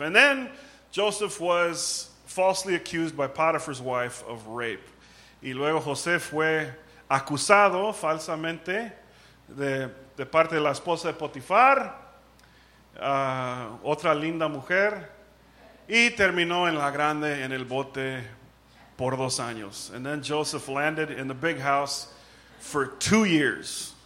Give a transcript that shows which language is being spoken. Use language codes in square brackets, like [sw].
[en] And then Joseph was falsely accused by Potiphar's wife of rape. [es] Y luego José fue acusado falsamente de parte de la esposa de Potifar, otra linda mujer, y terminó en la grande, en el bote, por 2 años. [en] And then Joseph landed in the big house for 2 years.